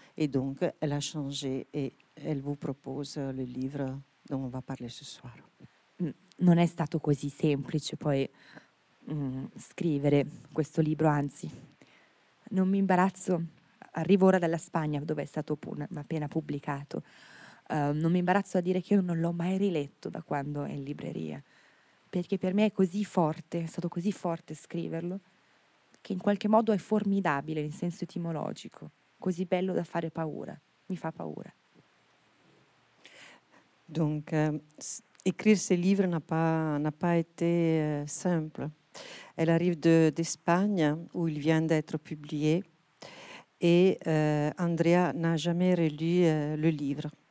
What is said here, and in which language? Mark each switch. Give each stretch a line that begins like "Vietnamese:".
French: Et donc, elle a changé et elle vous propose le livre dont on va parler ce soir.
Italian: Non è stato così semplice poi scrivere questo libro, anzi, non mi imbarazzo, arrivo ora dalla Spagna dove è stato appena pubblicato, non mi imbarazzo a dire che io non l'ho mai riletto da quando è in libreria, perché per me è così forte, è stato così forte scriverlo, che in qualche modo è formidabile in senso etimologico. Così bello da fare paura, mi fa paura.
French: Donc écrire ce livre n'a pas été simple. Elle arrive d'Espagne où il vient d'être publié et Andrea n'a jamais relu le livre.